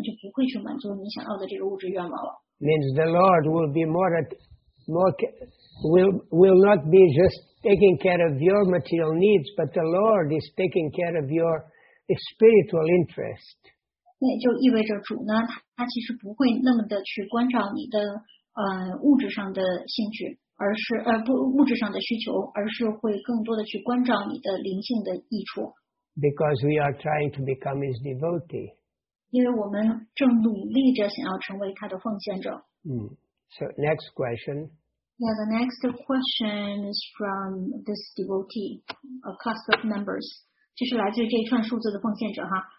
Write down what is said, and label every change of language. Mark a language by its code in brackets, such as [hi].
[zh] 因为呢，他看到如果要是满足了你这个物质愿望的话，会更多的让你陷在这个物质存在的恐怖之中的话，那他可能就不会去满足你想要的这个物质愿望了。 [en] Means the Lord will be more will not be just taking care of your material needs, but the Lord is taking care of your spiritual interest. [zh] 那也就意味着主呢，他其实不会那么的去关照你的物质上的兴趣。而是不物质上的需求，而是会更多的去关照你的灵性的益处。 [en] Because we are trying to become His devotee. [zh] 因为我们正努力着想要成为他的奉献者。 [en] So next question. Yeah, the next question is from this devotee, a class of members. [zh] 就是来自这一串数字的奉献者哈。